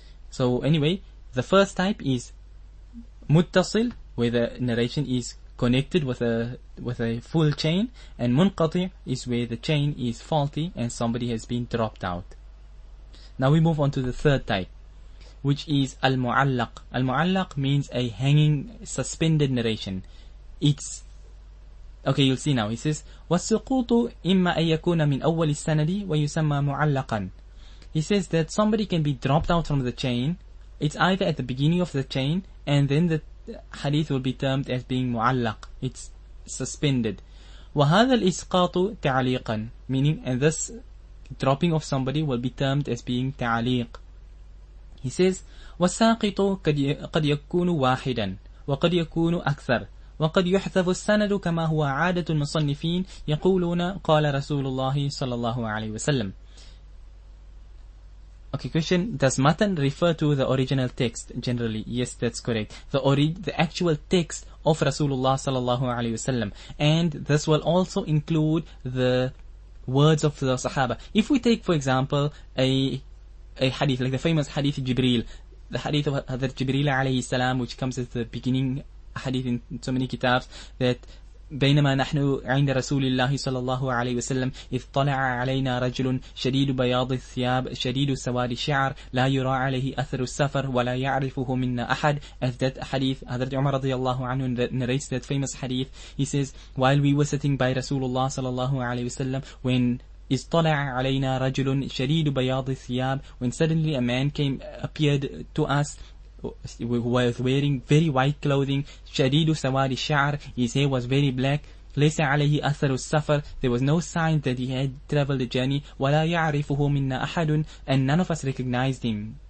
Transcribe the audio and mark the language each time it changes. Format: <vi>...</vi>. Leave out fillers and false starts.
<en>So anyway, the first type is muttasil, where the narration is connected with a full chain, and munqati' is where the chain is faulty and somebody has been dropped out. Now we move on to the third type, which is al-mu'allaq. Al-mu'allaq means a hanging, suspended narration. It's okay. You'll see now. He says,</en> <ar>"وَالسُّقُوطُ إِمَّا أَن يَكُونَ مِنْ أَوَّلِ السَّنَدِ وَيُسَمَّى مُعَلَّقًا."</ar> <en>He says that somebody can be dropped out from the chain. It's either at the beginning of the chain, and then the hadith will be termed as being mu'allaq. It's suspended.</en> <ar>وَهَذَا الْإِسْقَاطُ تَعْلِيقًا,</ar> <en>meaning, and this dropping of somebody will be termed as being ta'aliq. He says,</en> <ar>وَالسَّاقِطُ قَدْ يَكُونُ وَاحِدًا وَقَدْ يَكُونُ أَكْثَرُ وَقَدْ يُحْذَفُ السَّنَدُ كَمَا هُوَ عَادَةُ الْمُصَنِّفِينَ يَقُولُونَ قَالَ رَسُولُ اللَّهِ صَلَى اللَّهُ عَلَيْهِ وَسَلَّمُ.</ar> <en>Okay, question. Does matan refer to the original text generally? Yes, that's correct. The actual text of Rasulullah صلى الله عليه وسلم. And this will also include the words of the Sahaba. If we take, for example, a hadith, like the famous hadith of Jibreel, the hadith of Hadith Jibreel alayhi salam, which comes at the beginning hadith in so many kitabs, that</en> <ar>بينما نحن عند رسول الله صلى الله عليه وسلم إذ طلع علينا رجل شديد بياض الثياب شديد سواد الشعر لا يرى عليه أثر السفر ولا يعرفه منا أحد.</ar> <en>As that hadith, Hazrat Umar رضي الله عنه narrates that famous hadith. He says, while we were sitting by Rasulullah صلى الله عليه وسلم, when</en> <ar>إذ طلع علينا رجل شديد بياض الثياب,</ar> <en>when suddenly a man appeared to us, who was wearing very white clothing,</en> <ar>شديد سواد الشعر,</ar> <en>his hair was very black,</en> <ar>ليس عليه أثر السفر,</ar> <en>there was no sign that he had traveled a journey,</en> <ar>ولا يعرفه منا أحد,</ar> <en>and none of us recognized him.</en>